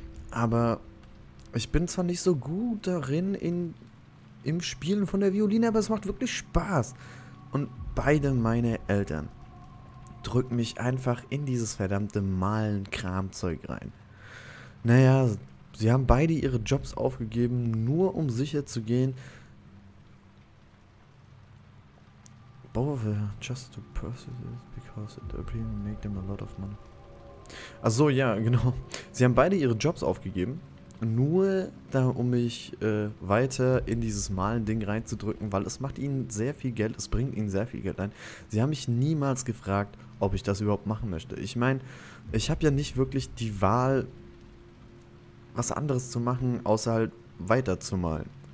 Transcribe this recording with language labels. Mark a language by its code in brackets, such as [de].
[de] Aber ich bin zwar nicht so gut darin im Spielen von der Violine, aber es macht wirklich Spaß. Und beide meine Eltern drücken mich einfach in dieses verdammte Malen-Kramzeug rein. Naja, sie haben beide ihre Jobs aufgegeben, nur um sicher zu gehen. [en] Both just to pursue this because it appears to make them a lot of money. [de] Achso, ja, genau. Sie haben beide ihre Jobs aufgegeben, nur da, um mich weiter in dieses Malen-Ding reinzudrücken, weil es macht ihnen sehr viel Geld, es bringt ihnen sehr viel Geld ein. Sie haben mich niemals gefragt, ob ich das überhaupt machen möchte. Ich meine, ich habe ja nicht wirklich die Wahl, was anderes zu machen, außer halt weiterzumalen.